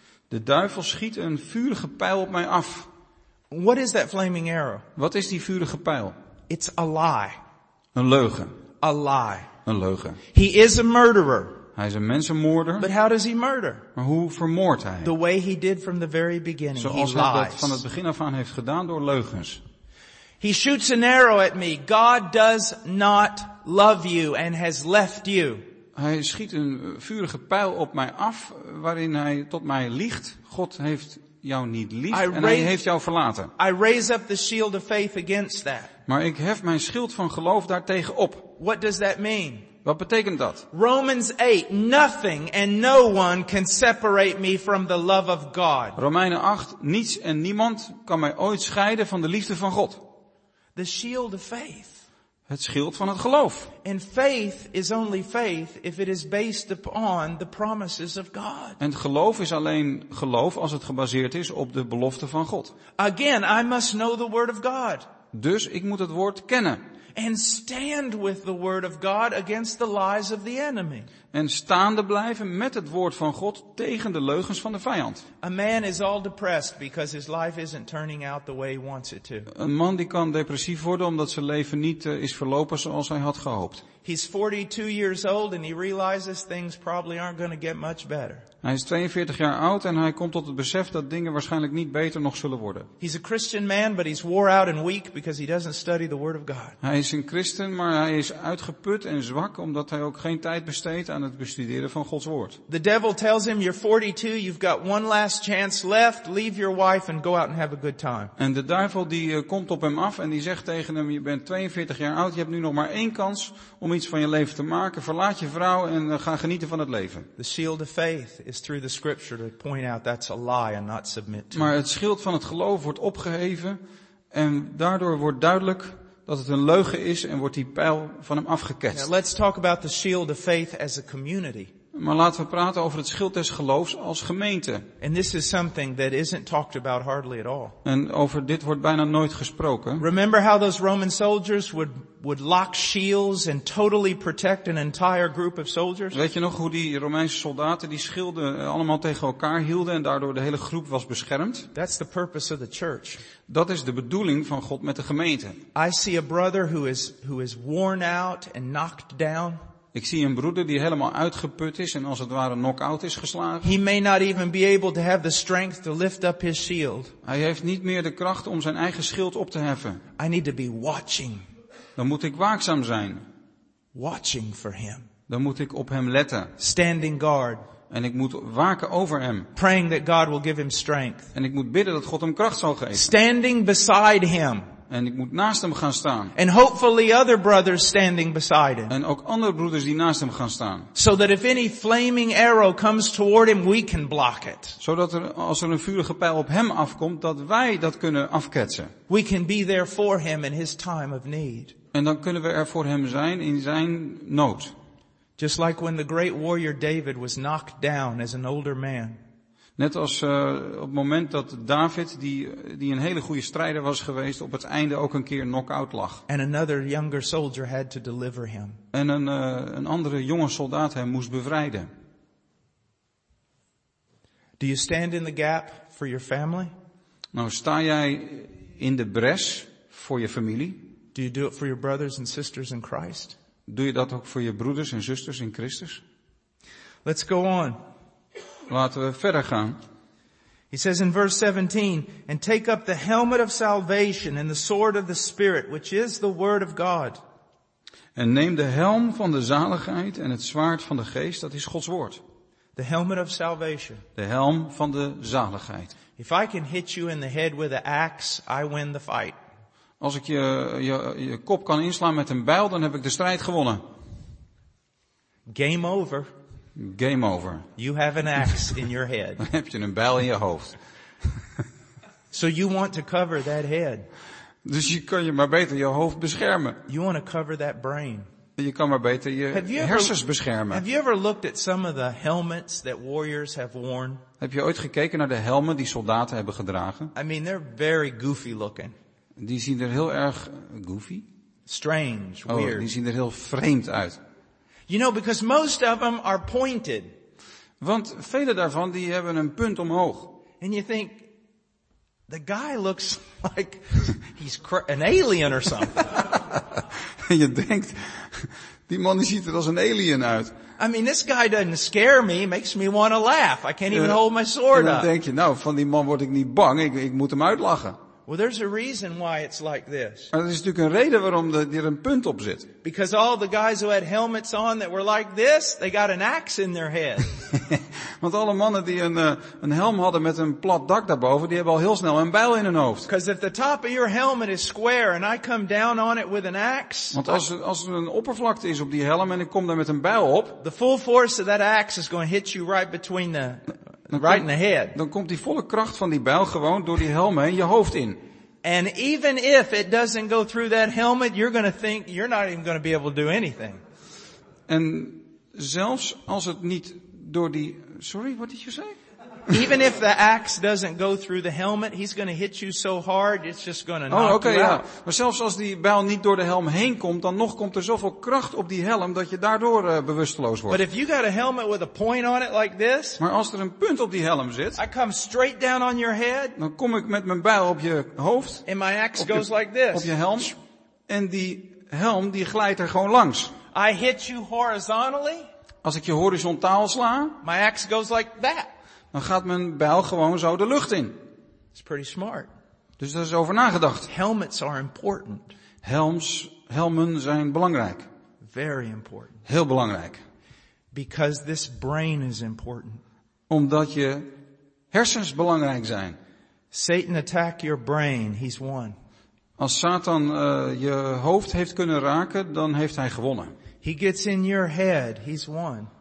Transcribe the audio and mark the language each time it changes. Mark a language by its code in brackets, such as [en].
[nl] De duivel schiet een vurige pijl op mij af. [en] What is that flaming arrow? [nl] Wat is die vurige pijl? [en] It's a lie. [nl] Een leugen. [en] A lie. [nl] Een leugen. [en] He is a murderer. [nl] Hij is een mensenmoorder. [en] But how does he murder? [nl] Maar hoe vermoordt hij? [en] The way he did from the very beginning. [nl] Zoals [en] he lies. [nl] Hij dat van het begin af aan heeft gedaan door leugens. [en] He shoots an arrow at me. God does not love you and has left you. [nl] Hij schiet een vurige pijl op mij af waarin hij tot mij liegt. God heeft jou niet lief en hij heeft jou verlaten. [en] I raise up the shield of faith against that. [nl] Maar ik hef mijn schild van geloof daartegen op. [en] What does that mean? [nl] Wat betekent dat? [en] Romans 8, nothing and no one can separate me from the love of God. [nl] Romeinen 8, niets en niemand kan mij ooit scheiden van de liefde van God. [en] The shield of faith. [nl] Het schild van het geloof. [en] And faith is only faith if it is based upon the promises of God. [nl] En geloof is alleen geloof als het gebaseerd is op de belofte van God. [en] Again, I must know the word of God. [nl] Dus ik moet het woord kennen. [en] And stand with the word of God against the lies of the enemy. [nl] En staande blijven met het woord van God tegen de leugens van de vijand. [en] A man is all depressed because his life isn't turning out the way he wants it to. [nl] Een man die kan depressief worden omdat zijn leven niet is verlopen zoals hij had gehoopt. [en] He's 42 years old and he realizes things probably aren't going to get much better. [nl] Hij is 42 jaar oud en hij komt tot het besef dat dingen waarschijnlijk niet beter nog zullen worden. [en] He's a Christian man, but he's wore out and weak because he doesn't study the word of God. [nl] Hij is een christen, maar hij is uitgeput en zwak omdat hij ook geen tijd besteedt aan het bestuderen van Gods woord. [en] The devil tells him you're 42, you've got one last chance left, leave your wife and go out and have a good time. [nl] En de duivel die komt op hem af en die zegt tegen hem, je bent 42 jaar oud, je hebt nu nog maar één kans om iets iets van je leven te maken. Verlaat je vrouw en ga genieten van het leven. [en] The shield of faith is through the scripture to point out that's a lie and not submit to. [nl] Maar het schild van het geloof wordt opgeheven en daardoor wordt duidelijk dat het een leugen is en wordt die pijl van hem afgeketst. [en] Now let's talk about the shield of faith as a community. [nl] Maar laten we praten over het schild des geloofs als gemeente. [en] And this is something that isn't talked about hardly at all. [nl] En over dit wordt bijna nooit gesproken. [en] Remember how those Roman soldiers would lock shields and totally protect an entire group of soldiers? [nl] Weet je nog hoe die Romeinse soldaten die schilden allemaal tegen elkaar hielden en daardoor de hele groep was beschermd? [en] That's the purpose of the church. [nl] Dat is de bedoeling van God met de gemeente. [en] I see a brother who is worn out and knocked down. [nl] Ik zie een broeder die helemaal uitgeput is en als het ware knock-out is geslagen. [en] He may not even be able to have the strength to lift up his shield. [nl] Hij heeft niet meer de kracht om zijn eigen schild op te heffen. [en] I need to be watching. [nl] Dan moet ik waakzaam zijn. [en] Watching for him. [nl] Dan moet ik op hem letten. [en] Standing guard. [nl] En ik moet waken over hem. [en] Praying that God will give him strength. [nl] En ik moet bidden dat God hem kracht zal geven. [en] Standing beside him. [nl] En ik moet naast hem gaan staan. [en] And hopefully other brothers standing beside him. [nl] En ook andere broeders die naast hem gaan staan. [en] So that if any flaming arrow comes toward him, we can block it. [nl] Zodat er, als er een vurige pijl op hem afkomt, dat wij dat kunnen afketsen. [en] We can be there for him in his time of need. [nl] En dan kunnen we er voor hem zijn in zijn nood. [en] Just like when the great warrior David was knocked down as an older man. [nl] Net als op het moment dat David, die een hele goede strijder was geweest, op het einde ook een keer knock-out lag. [en] And another younger soldier had to deliver him. [nl] En een andere jonge soldaat hem moest bevrijden. [en] Do you stand in the gap for your family? [nl] Nou, sta jij in de bres voor je familie? [en] Do you do it for your brothers and sisters in Christ? [nl] Doe je dat ook voor je broeders en zusters in Christus? [en] Let's go on. [nl] Laten we verder gaan. [en] He says in verse 17, and take up the helmet of salvation and the sword of the Spirit, which is the word of God. [nl] En neem de helm van de zaligheid en het zwaard van de geest, dat is Gods woord. [en] The helmet of salvation. [nl] De helm van de zaligheid. [en] If I can hit you in the head with an axe, I win the fight. [nl] Als ik je kop kan inslaan met een bijl, dan heb ik de strijd gewonnen. [en] Game over. Game over. You have an axe in your head. [nl] Dan heb je een bijl in je hoofd. [en] So you want to cover that head. [nl] Dus je kan je maar beter je hoofd beschermen. [en] You want to cover that brain. [nl] Je kan maar beter je hersens beschermen. [en] Have you ever looked at some of the helmets that warriors have worn? [nl] Heb je ooit gekeken naar de helmen die soldaten hebben gedragen? [en] I mean, they're very goofy looking. [nl] Die zien er heel erg goofy. [en] Strange, weird. [nl] Oh, die zien er heel vreemd uit. [en] You know, because most of them are pointed. [nl] Want vele daarvan die hebben een punt omhoog. [en] And you think the guy looks like he's an alien or something. [nl] Je denkt die man die ziet er als een alien uit. [en] I mean, this guy doesn't scare me, makes me want to laugh. I can't even hold my sword up. [nl] En dan denk je, nou, van die man word ik niet bang. Ik moet hem uitlachen. [en] Well, there's a reason why it's like this. [nl] Er is natuurlijk een reden waarom er een punt op zit. [en] Because all the guys who had helmets on that were like this, they got an axe in their head. [nl] Want alle mannen die een helm hadden met een plat dak daarboven, die hebben al heel snel een bijl in hun hoofd. [en] Because if the top of your helmet is square and I come down on it with an axe. [nl] Want als er een oppervlakte is op die helm en ik kom daar met een bijl op. [en] The full force of that axe is going to hit you right between the right in the head. [nl] Dan komt die volle kracht van die bijl gewoon door die helm heen je hoofd in. [en] And even if it doesn't go through that helmet, you're going to think you're not even going to be able to do anything. [nl] En zelfs als het niet door die [en] what did you say? Even if the axe doesn't go through the helmet, he's going to hit you so hard, it's just going to knock you out. Oh, okay, yeah. [nl] Maar zelfs als die bijl niet door de helm heen komt, dan nog komt er zoveel kracht op die helm dat je daardoor bewusteloos wordt. [en] But if you got a helmet with a point on it like this, [nl] maar als er een punt op die helm zit, [en] I come straight down on your head, [nl] dan kom ik met mijn bijl op je hoofd, [en] and my axe goes like this, [nl] op je helm, en die helm die glijdt er gewoon langs. [en] I hit you horizontally. [nl] Als ik je horizontaal sla, [en] my axe goes like that. [nl] Dan gaat mijn bijl gewoon zo de lucht in. [en] It's pretty smart. [nl] Dus daar is over nagedacht. [en] Helmets are important. [nl] Helmen zijn belangrijk. [en] Very important. [nl] Heel belangrijk. [en] Because this brain is important. [nl] Omdat je hersens belangrijk zijn. [en] Satan attack your brain, he's won. [nl] Als Satan je hoofd heeft kunnen raken, dan heeft hij gewonnen. [en] He gets in your head, he's won.